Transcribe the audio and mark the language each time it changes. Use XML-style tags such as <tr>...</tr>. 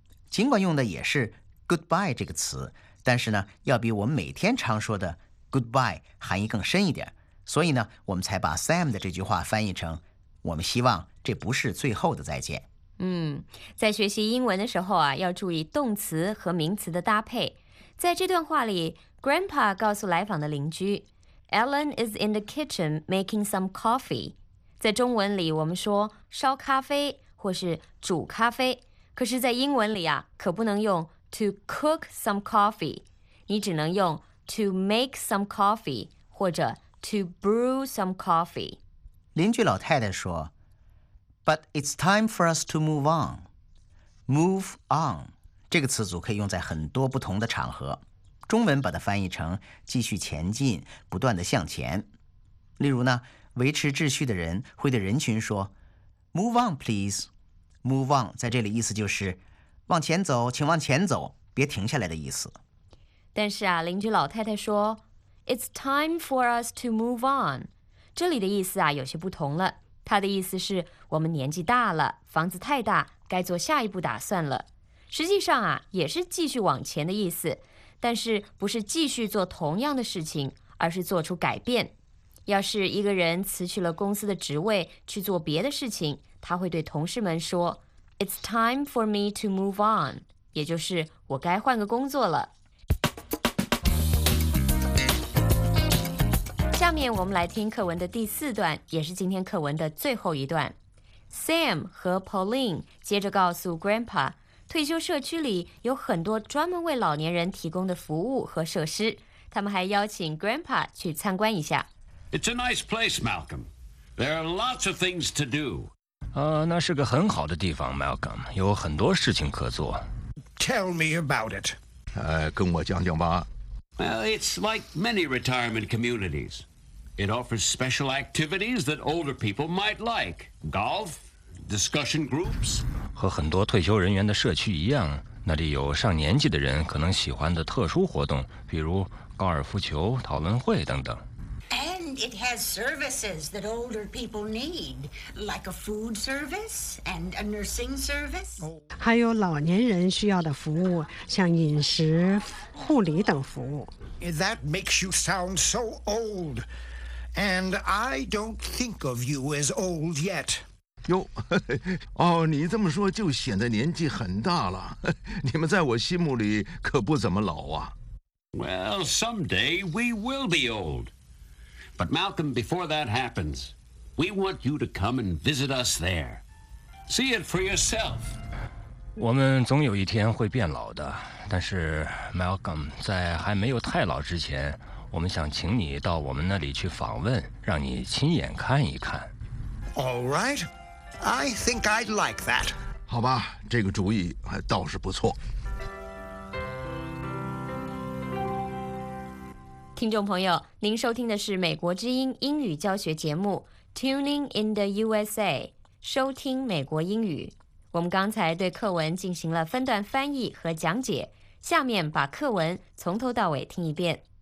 <zh>尽管用的也是 goodbye 这个词，但是呢要比我们每天常说的 goodbye 含义更深一点，所以呢我们才把 Sam 的这句话翻译成我们希望这不是最后的再见。嗯，在学习英文的时候啊，要注意动词和名词的搭配。在这段话里 Grandpa 告诉来访的邻居</zh> <en>Ellen is in the kitchen making some coffee。</en> <zh>在中文里我们说烧咖啡或是煮咖啡，可是在英文里啊，可不能用</zh> <en>to cook some coffee，</en> <zh>你只能用</zh> <en>to make some coffee</en> <zh>或者</zh> <en>To brew some coffee.</en> <zh>邻居老太太说</zh> <en>But it's time for us to move on. Move on.</en> <zh>这个词组可以用在很多不同的场合。中文把它翻译成继续前进，不断地向前。例如呢，维持秩序的人会对人群说</zh> <en>Move on, please. Move on</en> <zh>在这里意思就是往前走，请往前走，别停下来的意思。但是啊，邻居老太太说</zh> <en>It's time for us to move on.</en> <zh>这里的意思啊，有些不同了。它的意思是我们年纪大了，房子太大，该做下一步打算了。实际上啊，也是继续往前的意思，但是不是继续做同样的事情，而是做出改变。要是一个人辞去了公司的职位去做别的事情，他会对同事们说</zh> <en>It's time for me to move on.</en> <zh>也就是我该换个工作了。下面我们来听课文的第四段，也是今天课文的最后一段。 Sam 和 Pauline 接着告诉 Grandpa， 退休社区里有很多专门为老年人提供的服务和设施，他们还邀请 Grandpa 去参观一下。</zh> <en>It's a nice place, Malcolm. There are lots of things to do.</en> <zh>那是个很好的地方 ，Malcolm， 有很多事情可做。</zh> <en>Tell me about it.</en> <zh>跟我讲讲吧。</zh> <en>Well, it's like many retirement communities. It offers special activities that older people might like. Golf, discussion groups.</en> <zh>和很多退休人员的社区一样，那里有上年纪的人可能喜欢的特殊活动，比如高尔夫球、讨论会等等。</zh> <en>And it has services that older people need, like a food service and a nursing service.</en> <zh>还有老年人需要的服务，像饮食、护理等服务。</zh> <en>That makes you sound so old, and I don't think of you as old yet.</en> <zh>哟，哦，你这么说就显得年纪很大了。你们在我心目里可不怎么老啊。</zh> <en>Well, someday we will be old. But Malcolm, before that happens, we want you to come and visit us there. See it for yourself.</en> <zh>我们总有一天会变老的，但是 Malcolm, 在还没有太老之前，我们想请你到我们那里去访问，让你亲眼看一看。 All right, I think I'd like that. 好吧，这个主意倒是不错。听众朋友，您收听的是美国之音英语教学节目 Tuning in the USA，收听美国英语。我们刚才对课文进行了分段翻译和讲解，下面把课文从头到尾听一遍。</zh>